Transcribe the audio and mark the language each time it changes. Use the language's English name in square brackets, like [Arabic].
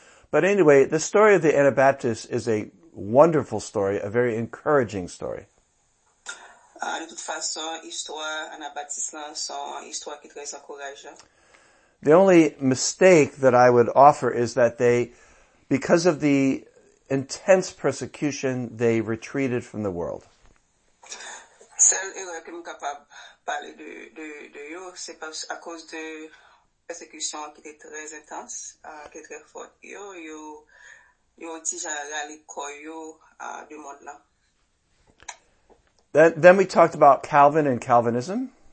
[English] But anyway, the story of the Anabaptists is a wonderful story, a very encouraging story. [French] De toute façon, histoire anabaptiste sont histoire qui très encourageant. [English] The only mistake that I would offer is that they, because of the intense persecution, they retreated from the world. [French] Seule erreur que je suis capable de parler de eux, c'est parce à cause de persécution qui était très intense, qui était très forte. Ils ont déjà rallié quoi du monde là. [English] Then we talked about Calvin and Calvinism.